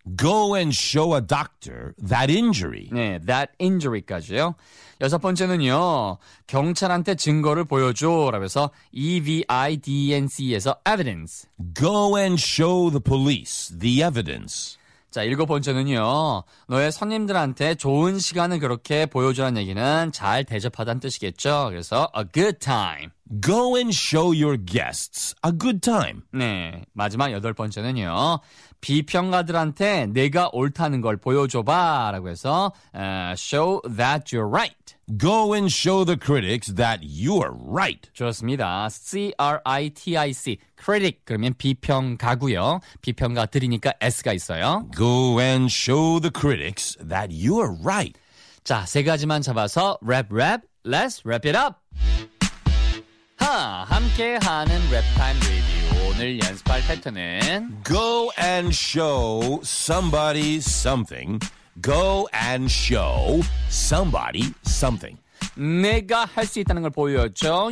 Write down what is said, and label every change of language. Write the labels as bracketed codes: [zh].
[en] Go and show a doctor that injury. [ko] 네, that injury까지요. 여섯 번째는요. 경찰한테 증거를 보여줘라고 해서 E-V-I-D-N-C에서 evidence. [en] Go and show the police the evidence. [ko] 자, 일곱 번째는요. 너의 손님들한테 좋은 시간을 그렇게 보여주라는 얘기는 잘 대접하다는 뜻이겠죠. 그래서 a good time. [en] Go and show your guests a good time. [ko] 네, 마지막 여덟 번째는요. 비평가들한테 내가 옳다는 걸 보여줘봐라고 해서 [en] show that you're right. Go and show the critics that you are right. [ko] 좋습니다. C-R-I-T-I-C. Critic 그러면 비평가고요. 비평가들이니까 S가 있어요. [en] Go and show the critics that you are right. [ko] 자, 세 가지만 잡아서 랩 랩. [en] Let's wrap it up. [ko] 함께하는 랩타임 리뷰. 오늘 연습할 패턴은 [en] Go and show somebody something. Go and show somebody something. [ko] 내가 할 수 있다는 걸 보여줘.